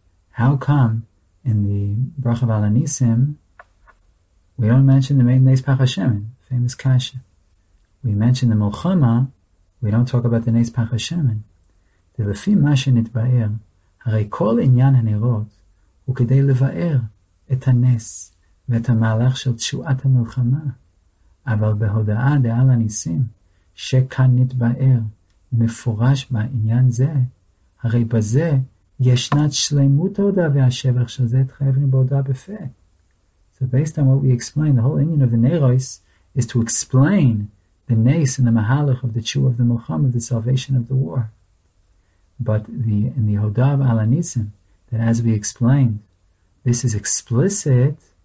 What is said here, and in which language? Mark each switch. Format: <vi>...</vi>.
<en>How come in the bracha of Al HaNisim we don't mention the main Nes Pach HaShemen, famous kasha? We mention the Mulchama, we don't talk about the Nes Pach HaShemen.</en> <he>The Lefi Masha Nitba'er, הרי כל עניין הנרות הוא כדי לבאר את הנס ואת המהלך של תשועת המלחמה. אבל בהודעה דעל הניסים שכאן נתבאר מפורש בעניין זה, הרי בזה ישנת שלמות ההודעה והשבח של זה התחייבנו בהודעה בפה.</he> <en>So based on what we explained, the whole union of the Neros is to explain the nes and the mahalach of the tshuva of the melchama, the salvation of the war. But in the Hodav Al HaNisim, that as we explained, this is explicit.</en>